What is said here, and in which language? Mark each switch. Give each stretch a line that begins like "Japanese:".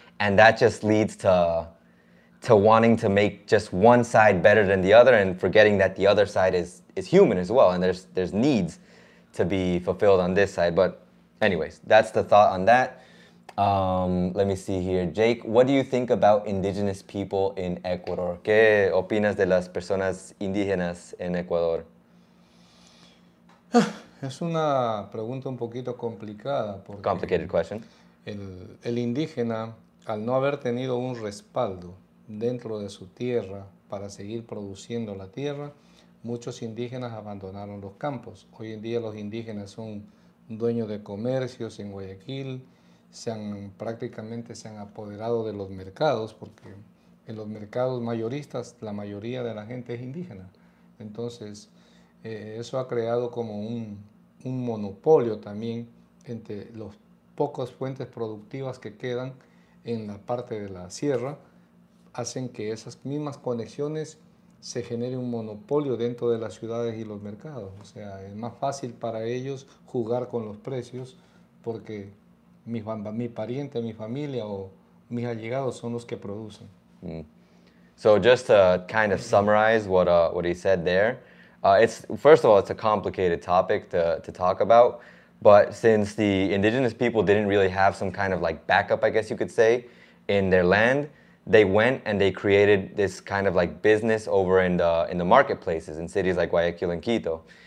English: And that just leads to wanting to make just one side better than the other and forgetting that the other side is human as well. And there's needs to be fulfilled on this side. But anyways, that's the thought on that. Let me see here. Jake, what do you think about indigenous people in Ecuador?
Spanish: ¿Qué opinas de las personas indígenas en Ecuador? Es una pregunta un poquito complicada.
English: Complicated question.
Spanish: El indígena, al no haber tenido un respaldo dentro de su tierra para seguir produciendo la tierra, muchos indígenas abandonaron los campos. Hoy en día los indígenas son dueños de comercios en Guayaquil, prácticamente se han apoderado de los mercados, porque en los mercados mayoristas la mayoría de la gente es indígena. Entonces, eso ha creado como un monopolio también entre los pocos fuentes productivas que quedan en la parte de la sierra, hacen que esas mismas conexiones se genere un monopolio dentro de las ciudades y los mercados. O sea, es más fácil para ellos jugar con los precios porque mi pariente, mi familia o mis allegados son los que producen.
English: So just to kind of summarize what he said there, it's a complicated topic to talk about, but since the indigenous people didn't really have some kind of like backup, I guess you could say, in their land, they went and they created this kind of like business over in the marketplaces in cities like Guayaquil and Quito.